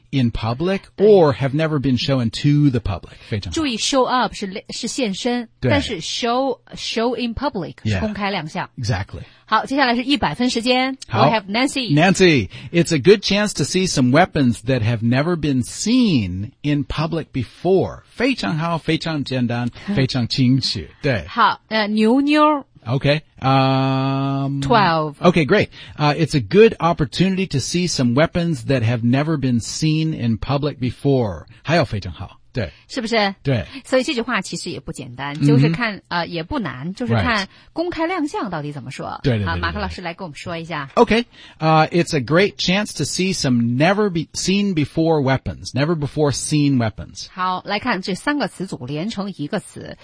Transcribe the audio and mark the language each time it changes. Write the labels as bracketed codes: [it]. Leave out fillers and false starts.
[en] In public or have never been shown to the public. [zh] 非常好注意 show up 是现身对但是 show in public 是公开亮相 [en] yeah, Exactly. [zh] 好接下来是100分时间好 [en] We have Nancy. Nancy, it's a good chance to see some weapons that have never been seen in public before. [zh] 非常好非常简单非常清楚对好牛妞 [en] Okay. 12. Okay, great. It's a good opportunity to see some weapons that have never been seen in public before. [zh] 还有非常好。对，是不是？对，所以这句话其实也不简单，就是看、 mm-hmm. 也不难，就是看公开亮相到底怎么说。对对对，马克老师来跟我们说一下。 [en] Okay, it's a great chance to see some never before seen weapons. [zh] 好，来看这三个词组连成一个词，